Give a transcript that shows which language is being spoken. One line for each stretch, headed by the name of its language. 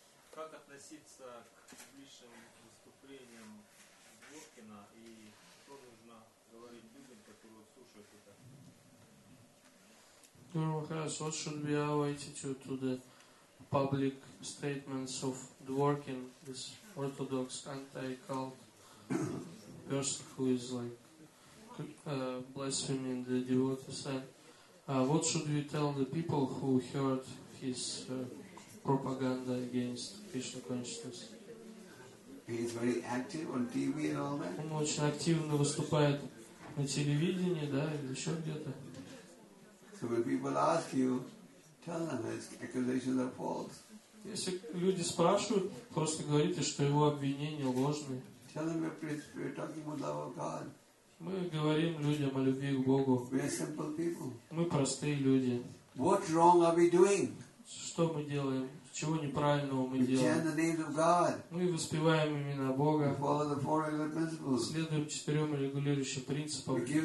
Russian: Как относиться к бывшим выступлениям Воркина и что нужно говорить людям, которые слушают это?
English: Guru Maharaj, what should be our attitude to the public statements of Dworkin, this orthodox anti-cult person who is like blaspheming the devotee side? What should we tell the people who heard his propaganda against Krishna consciousness? He's very active on TV and all that.
Russian: Он очень активно выступает на телевидении, да, или еще где-то.
English: So when people ask you, tell them his accusations are false.
Russian: Если люди спрашивают, просто говорите, что его обвинения ложные.
English: Tell them we're talking about love of God.
Russian: Мы говорим людям о любви к Богу. Мы простые люди.
English: What wrong are we doing?
Russian: Что мы делаем? Чего неправильного мы делаем? Мы воспеваем имена Бога. Следуем четырем регулирующим принципам.